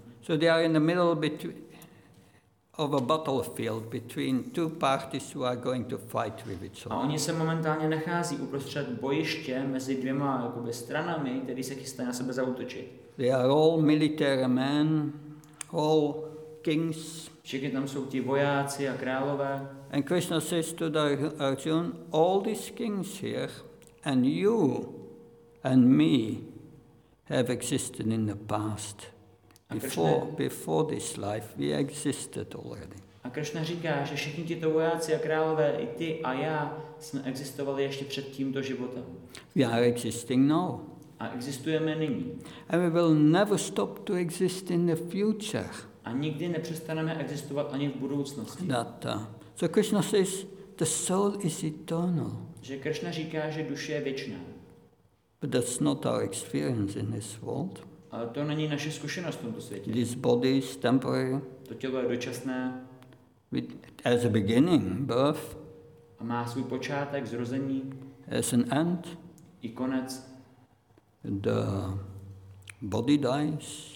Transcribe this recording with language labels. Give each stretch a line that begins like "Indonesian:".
English: So they are in the middle of a battlefield between two parties who are going to fight with each other.
Czech: A oni se momentálně nachází uprostřed bojiště mezi dvěma jakoby stranami, které se chystají na sebe zaútočit.
English: They are all military men, all kings.
Czech: Všichni tam jsou ti vojáci a králové.
English: And Krishna says to Arjuna, all these kings here and you and me have existed in the past. Before this life, we existed already.
Czech: A Krishna říká, že všichni tito vojáci a králové, i ty a já, jsme existovali ještě před tímto životem.
English: We are existing now.
Czech: A existujeme nyní.
English: And we will never stop to exist in the future.
Czech: A nikdy nepřestaneme existovat ani v budoucnosti.
English: So Krishna says, the soul is eternal.
Czech: Že Krishna říká, že duše je věčná.
English: But that's not our experience in this world.
Czech: Ale to není naše zkušenost v tomto světě.
English: This body is temporary.
Czech: To tělo je dočasné.
English: As a beginning, birth.
Czech: A má svůj počátek, zrození.
English: As an end.
Czech: I konec.
English: The body dies.